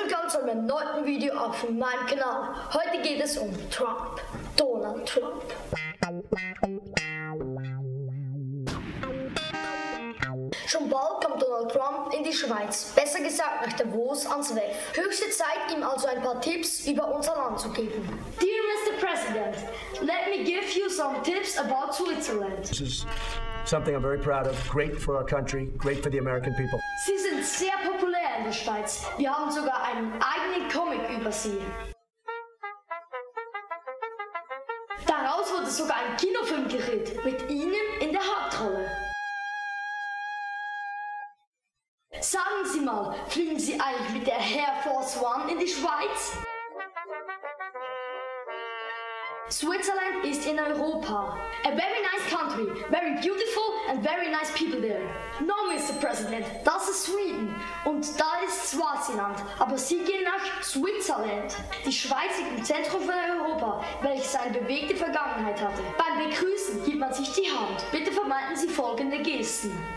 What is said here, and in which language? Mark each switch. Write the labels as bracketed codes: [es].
[de] zu einem neuen Video auf meinem Kanal. Heute geht es um Trump. Donald Trump. Schon bald kommt Donald Trump in die Schweiz, besser gesagt nach Davos ans WEF. Höchste Zeit, ihm also ein paar Tipps über unser Land zu geben. [en] Dear Mr. President, let me give you some tips about Switzerland. This is something I'm very proud of. Great for our country, great for the American people. [de] Sie sind sehr populär in der Schweiz. Wir haben sogar einen eigenen Comic über Sie. Daraus wurde sogar ein Kinofilm gedreht, mit Ihnen in der Hauptrolle. Sagen Sie mal, fliegen Sie eigentlich mit der Air Force One in die Schweiz? Switzerland ist in Europa. [en] A very nice country, very beautiful and very nice people there. No, Mr. [de] President, das ist Sweden und da ist Swaziland. Aber Sie gehen nach Switzerland. Die Schweiz liegt im Zentrum von Europa, welches eine bewegte Vergangenheit hatte. Beim Begrüßen gibt man sich die Hand. Bitte vermeiden Sie folgende Gesten.